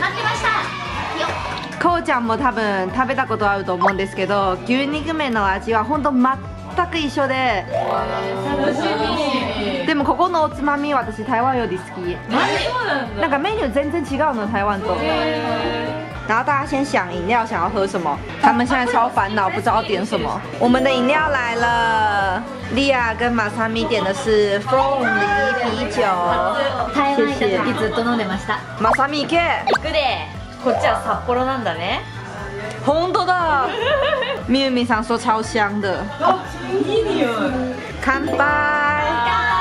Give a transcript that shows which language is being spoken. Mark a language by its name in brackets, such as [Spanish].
[Japanese] 待ってました。こうちゃんも多分食べたことあると思うんですけど、牛肉麺の味は本当全く一緒で、楽しみ。でもここのおつまみ私台湾より好き。マジ？そうなんだ。なんかメニュー全然違うの台湾と。 [Chinese] 然后大家先想饮料想要喝什么，他们现在超烦恼，不知道点什么。我们的饮料来了，莉亚跟马萨米点的是凤梨啤酒。台湾的一直都 [Japanese] 飲んでました。马萨米ケ。行くで。こっちは札幌なんだね。本当だ。 [Chinese] みゆみさん说超香的。 [Japanese] いい匂い。乾杯。